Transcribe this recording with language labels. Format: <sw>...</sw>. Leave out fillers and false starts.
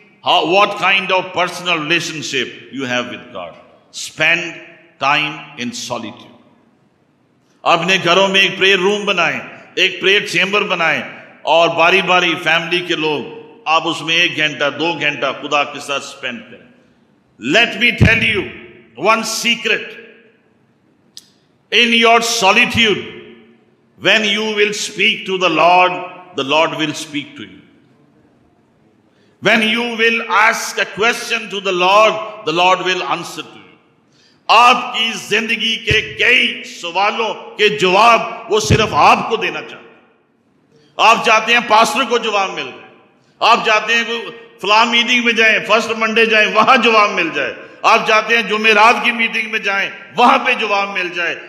<en>What kind of personal relationship you have with God. Spend time in solitude.</en> <ur>اپنے گھروں میں ایک prayer روم بنائیں، ایک پریئر چیمبر بنائیں، اور باری باری فیملی کے لوگ آپ اس میں ایک گھنٹہ، دو گھنٹہ خدا کے ساتھ اسپینڈ کریں.</ur> <en>Let me tell you one secret, in your solitude when you will speak to the Lord will speak to you. When you will ask a question to the Lord will answer to you.</en> <ur>آپ کی زندگی کے کئی سوالوں کے جواب وہ صرف آپ کو دینا چاہتے ہیں. آپ چاہتے ہیں پاسٹر کو جواب مل جائے، آپ چاہتے ہیں فلاں میٹنگ میں جائیں، فرسٹ منڈے جائیں، وہاں جواب مل جائے. آپ چاہتے ہیں جمعرات کی میٹنگ میں جائیں، وہاں پہ جواب مل جائے.</ur>